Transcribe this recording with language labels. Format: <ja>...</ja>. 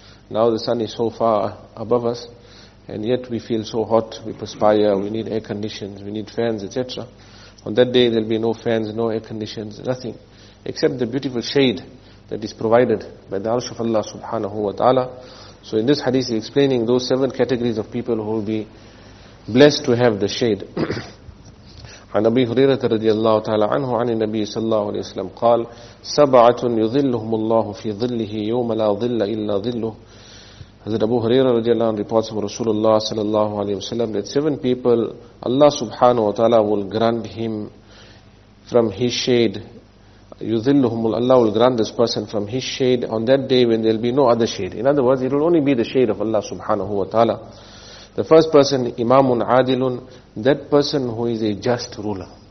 <en>Now the sun is so far above us, and yet we feel so hot, we perspire, we need air conditions, we need fans, etc. On that day there will be no fans, no air conditions, nothing, except the beautiful shade that is provided by the arsh of Allah subhanahu wa ta'ala. So in this hadith he's explaining those 7 categories of people who will be blessed to have the shade.</en> <ar>عن أبي هريرة رضي الله تعالى عنه عن النبي صلى الله عليه وسلم قال 7 يظلهم الله في ظله يوم لا ظل إلا ظله. حضرت أبو هريرة رضي الله عنه</ar> <en>reports from</en> <ar>رسول الله صلى الله عليه وسلم</ar> <en>that 7 people Allah subhanahu wa ta'ala will grant him from his shade. يظلهم Allah will grant this person from his shade on that day when there will be no other shade. In other words, it will only be the shade of Allah subhanahu wa ta'ala. The first person, Imamun Adilun, that person who is a just ruler.</en>